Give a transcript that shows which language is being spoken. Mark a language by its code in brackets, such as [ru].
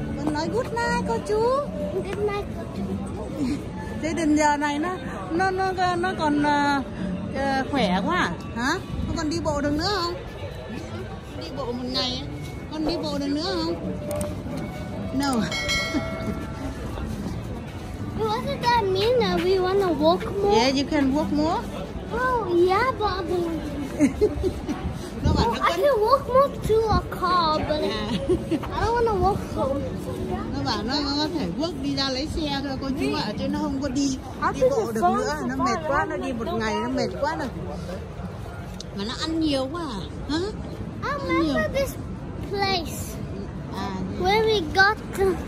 [vi] Nói [en] good night [vi] cô chú. [en] Good night [vi] cô chú. Jayden giờ này nó còn khỏe quá à? Hả? Con còn đi bộ được nữa không? Đi bộ một ngày con đi bộ được nữa không? [en] No. What does that mean that we want to walk more? Yeah, you can walk more. Oh yeah, but no, I can walk more to a car, but yeah. I don't want to walk home. [vi] Nó có thể quốc đi ra lấy xe thôi cô chú ạ, chứ nó không có đi bộ được nữa, nó mệt quá, nó đi một ngày nó mệt quá rồi. mà nó ăn nhiều quá à? [en] Hả? I remember [vi] nhiều. [en] This place where we got the